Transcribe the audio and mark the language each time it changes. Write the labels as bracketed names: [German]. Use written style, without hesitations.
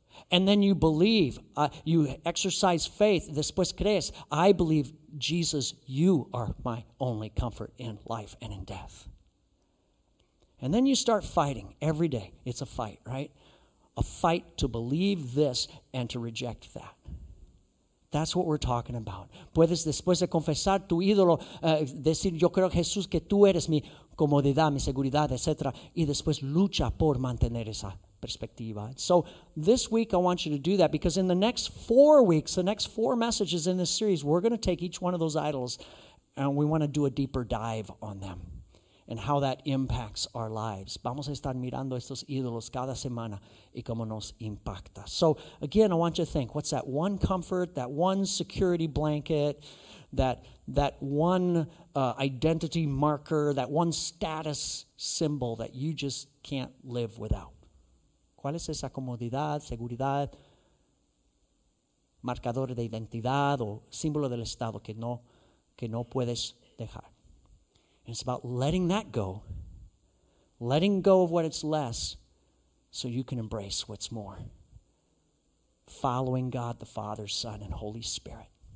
[English] And then you believe, you exercise faith, [Spanish] después crees, [English] I believe, Jesus, you are my only comfort in life and in death. And then you start fighting every day. It's a fight, right? A fight to believe this and to reject that. That's what we're talking about. [Spanish] Puedes después de confesar tu ídolo, decir, yo creo, Jesús, que tú eres mi comodidad, mi seguridad, etc. Y después lucha por mantener esa perspectiva. [English] So this week I want you to do that because in the next 4 weeks, the next four messages in this series, we're going to take each one of those idols and we want to do a deeper dive on them and how that impacts our lives. [Spanish] Vamos a estar mirando estos ídolos cada semana y cómo nos impacta. [English] So again, I want you to think, what's that one comfort, that one security blanket, that one identity marker, that one status symbol that you just can't live without? [Spanish] ¿Cuál es esa comodidad, seguridad, marcador de identidad o símbolo del estado que no puedes dejar? [English] And it's about letting that go, letting go of what it's less, so you can embrace what's more. Following God, the Father, Son, and Holy Spirit.